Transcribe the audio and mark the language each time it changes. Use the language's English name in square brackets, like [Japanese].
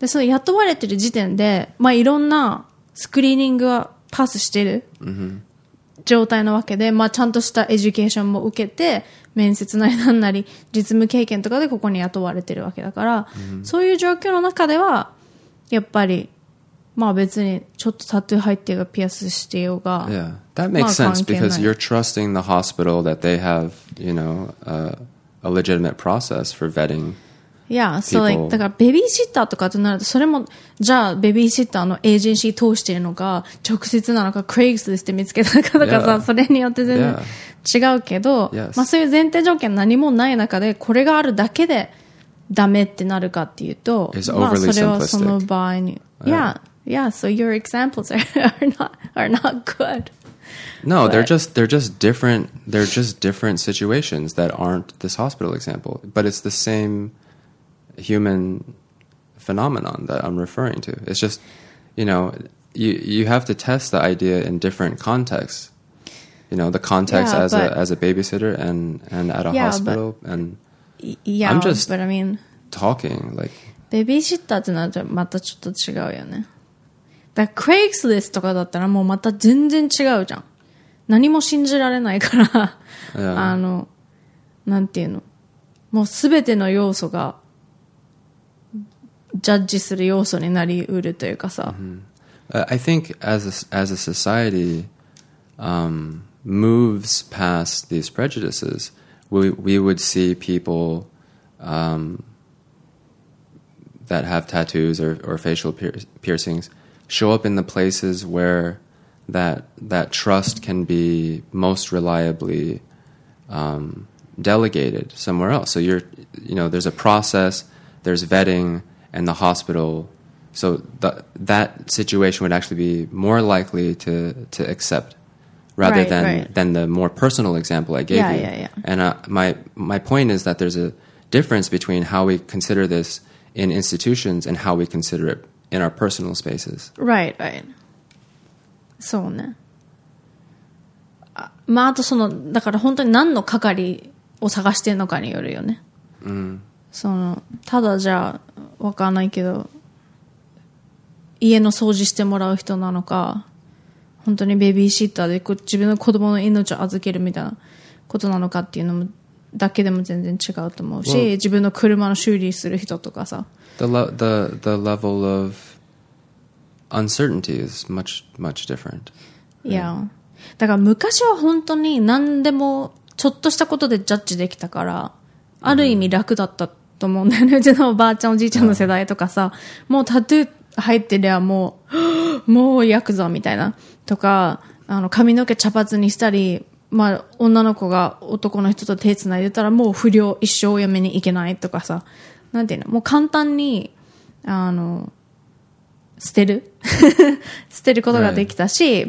[Japanese] でその雇われてる時点で、まあ、いろんなスクリーニングはパスしてる状態なわけで、まあ、ちゃんとしたエデュケーションも受けて面接なりなんなり実務経験とかでここに雇われてるわけだから、 mm-hmm. そういう状況の中ではやっぱり、まあ、別にちょっとタトゥー入ってがピアスしてようが [English] Yeah, that makes sense because you're trusting the hospital that they have, you know, a legitimate process for vetting. Yeah, so people. [Japanese] Like, だからベビーシッターとかとなるとそれもじゃあベビーシッターのエージェンシー通してるのか直接なのかクレイグスリストで見つけたのかとかさ、それによって全然違うけど、 [English] yes. [Japanese] まあそういう前提条件何もない中でこれがあるだけでダメってなるかっていうと、まあそれはその場合に、 [English] yeah, so your examples are not good. No, but. they're just different situations that aren't this hospital example, but it's the same human phenomenon that I'm referring to. It's just, you know, you have to test the idea in different contexts. You know, the context as a babysitter and at a hospital and yeah, I'm just but I mean talking like [Japanese] ベビーシッターってなるとまたちょっと違うよね。だからクレイクスリストとかだったらもうまた全然違うじゃん。何も信じられないから [English] <Yeah. [Japanese] S 1> あのなんていうの、もうすべての要素がジャッジする要素になりうるというかさ、 [English] I think as a society、moves past these prejudices, we would see people、that have tattoos or facial piercings show up in the places where that trust can be most reliably、delegated somewhere else. So there's a process, there's vetting. And the hospital, so that situation would actually be more likely to accept rather right, than, right. than the more personal example I gave yeah, you. Yeah, yeah. And my point is that there's a difference between how we consider this in institutions and how we consider it in our personal spaces. Right, right. [Japanese] そうね。まあ、あとその、だから本当に何の係を探してるのかによるよね。うん。そのただじゃあ分かんないけど家の掃除してもらう人なのか本当にベビーシッターで自分の子供の命を預けるみたいなことなのかっていうのもだけでも全然違うと思うし、 [English] well, [Japanese] 自分の車の修理する人とかさ [English] the level of uncertainty is much much different、 yeah. Yeah. [Japanese] だから昔は本当に何でもちょっとしたことでジャッジできたからある意味楽だったと思うんだよね。うちのおばあちゃん、おじいちゃんの世代とかさ、もうタトゥー入ってりゃもうヤクザみたいな。とか、あの、髪の毛茶髪にしたり、まあ、女の子が男の人と手繋いでたらもう不良、一生嫁に行けないとかさ、なんていうの、もう簡単に、あの、捨てることができたし、